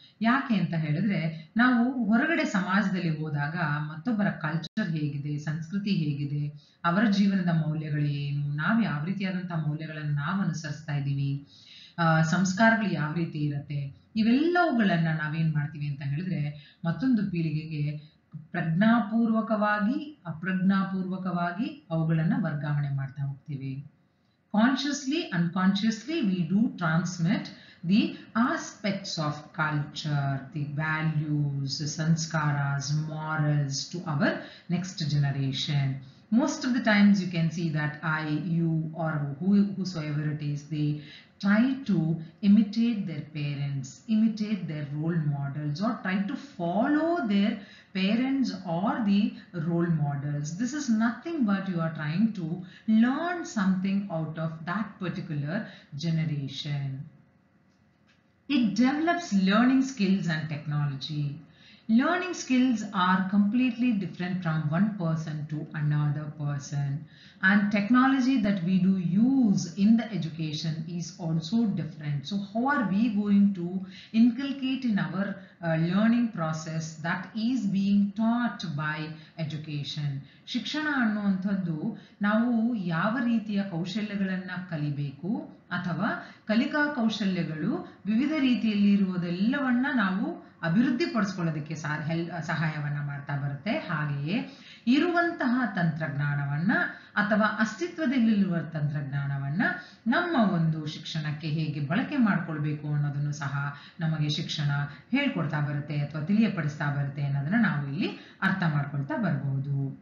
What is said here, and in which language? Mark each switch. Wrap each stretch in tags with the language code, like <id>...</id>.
<kn>ಯಾಕೆ ಅಂತ ಹೇಳಿದ್ರೆ, ನಾವು ಹೊರಗಡೆ ಸಮಾಜದಲ್ಲಿ ಹೋದಾಗ ಮತ್ತೊಬ್ಬರ ಕಲ್ಚರ್ ಹೇಗಿದೆ, ಸಂಸ್ಕೃತಿ ಹೇಗಿದೆ, ಅವರ ಜೀವನದ ಮೌಲ್ಯಗಳು ಏನು, ನಾವು ಯಾವ ರೀತಿಯಾದಂಥ ಮೌಲ್ಯಗಳನ್ನು ನಾವು ಅನುಸರಿಸ್ತಾ ಇದ್ದೀವಿ, ಸಂಸ್ಕಾರಗಳು ಯಾವ ರೀತಿ ಇರುತ್ತೆ, ಇವೆಲ್ಲವುಗಳನ್ನು ನಾವೇನು ಮಾಡ್ತೀವಿ ಅಂತ ಹೇಳಿದ್ರೆ ಮತ್ತೊಂದು ಪೀಳಿಗೆಗೆ ಪ್ರಜ್ಞಾಪೂರ್ವಕವಾಗಿ ಅಪ್ರಜ್ಞಾಪೂರ್ವಕವಾಗಿ ಅವುಗಳನ್ನು ವರ್ಗಾವಣೆ ಮಾಡ್ತಾ ಹೋಗ್ತೀವಿ.</kn> <en>Consciously unconsciously we do transmit the aspects of culture, the values, ಸಂಸ್ಕಾರಸ್, morals to our next generation. Most of the times you can see that I you are whosoever it is the try to imitate their parents, imitate their role models, or try to follow their parents or the role models. This is nothing but you are trying to learn something out of that particular generation. It develops learning skills and technology. Learning skills are completely different from one person to another person, and technology that we do use in the education is also different. So how are we going to inculcate in our learning process that is being taught by education?</en> <kn>ಶಿಕ್ಷಣ ಅನ್ನುವಂಥದ್ದು ನಾವು ಯಾವ ರೀತಿಯ ಕೌಶಲ್ಯಗಳನ್ನು ಕಲಿಬೇಕು ಅಥವಾ ಕಲಿಕಾ ಕೌಶಲ್ಯಗಳು ವಿವಿಧ ರೀತಿಯಲ್ಲಿ ಇರುವುದೆಲ್ಲವನ್ನು ನಾವು ಅಭಿವೃದ್ಧಿಪಡಿಸ್ಕೊಳ್ಳೋದಕ್ಕೆ ಸಹಾಯವನ್ನು ಮಾಡ್ತಾ ಬರುತ್ತೆ. ಹಾಗೆಯೇ ಇರುವಂತಹ ತಂತ್ರಜ್ಞಾನವನ್ನು ಅಥವಾ ಅಸ್ತಿತ್ವದಲ್ಲಿರುವ ತಂತ್ರಜ್ಞಾನವನ್ನು ನಮ್ಮ ಒಂದು ಶಿಕ್ಷಣಕ್ಕೆ ಹೇಗೆ ಬಳಕೆ ಮಾಡಿಕೊಳ್ಬೇಕು ಅನ್ನೋದನ್ನು ಸಹ ನಮಗೆ ಶಿಕ್ಷಣ ಹೇಳ್ಕೊಡ್ತಾ ಬರುತ್ತೆ ಅಥವಾ ತಿಳಿಯಪಡಿಸ್ತಾ ಬರುತ್ತೆ ಅನ್ನೋದನ್ನು ನಾವು ಇಲ್ಲಿ ಅರ್ಥ ಮಾಡ್ಕೊಳ್ತಾ ಬರಬಹುದು.</kn>